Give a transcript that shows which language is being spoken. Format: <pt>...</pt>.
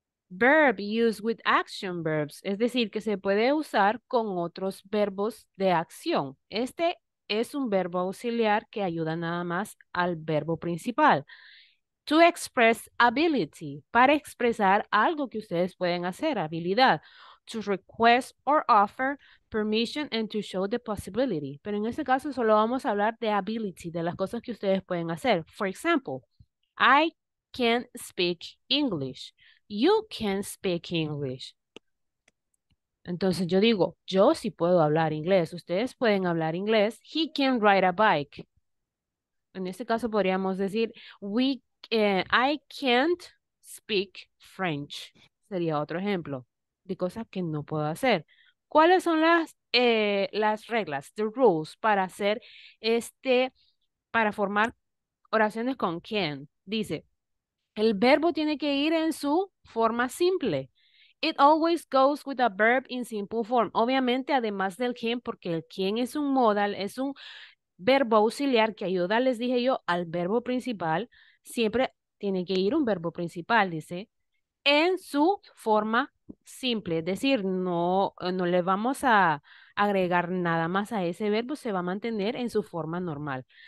<en>verb used with action verbs,</en> <es>es decir, que se puede usar con otros verbos de acción. Este es un verbo auxiliar que ayuda nada más al verbo principal.</es> <en>To express ability,</en> <es>para expresar algo que ustedes pueden hacer, habilidad.</es> <en>To request or offer permission and to show the possibility.</en> <es>Pero en este caso solo vamos a hablar de ability, de las cosas que ustedes pueden hacer.</es> <en>For example, I can speak English. You can speak English.</en> <es>Entonces yo digo, yo sí puedo hablar inglés. Ustedes pueden hablar inglés.</es> <en>He can ride a bike.</en> <es>En este caso podríamos decir,</es> <en>I can't speak French.</en> <es>Sería otro ejemplo de cosas que no puedo hacer. ¿Cuáles son las reglas,</es> <en>the rules,</en> <es>para hacer este, para formar oraciones con can? Dice, el verbo tiene que ir en su forma simple.</es> <en>It always goes with a verb in simple form.</en> <es>Obviamente, además del can, porque el can es un modal, es un verbo auxiliar que ayuda, les dije yo, al verbo principal. Siempre tiene que ir un verbo principal, dice, en su forma simple. Es decir, no le vamos a agregar nada más a ese verbo, se va a mantener en su forma normal.</es>